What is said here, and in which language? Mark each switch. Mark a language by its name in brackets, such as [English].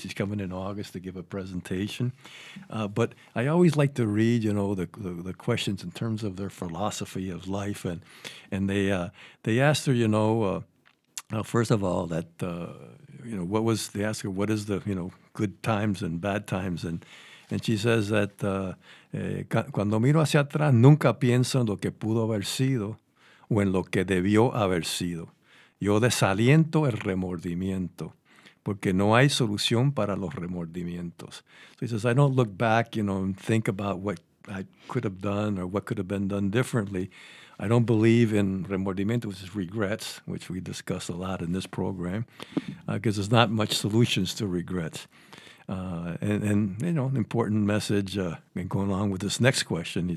[English] She's coming in August to give a presentation. But I always like to read, you know, the questions in terms of their philosophy of life. And they asked her, you know, first of all, that, you know, they asked her, what is the, you know, good times and bad times? And she says that, [Spanish] cuando miro hacia atrás, nunca pienso en lo que pudo haber sido. O en lo que debió haber sido. Yo desaliento el remordimiento, porque no hay solución para los remordimientos. [English] So he says, I don't look back, you know, and think about what I could have done or what could have been done differently. I don't believe in remordimiento, which is regrets, which we discuss a lot in this program, because there's not much solutions to regrets. And you know, an important message going along with this next question.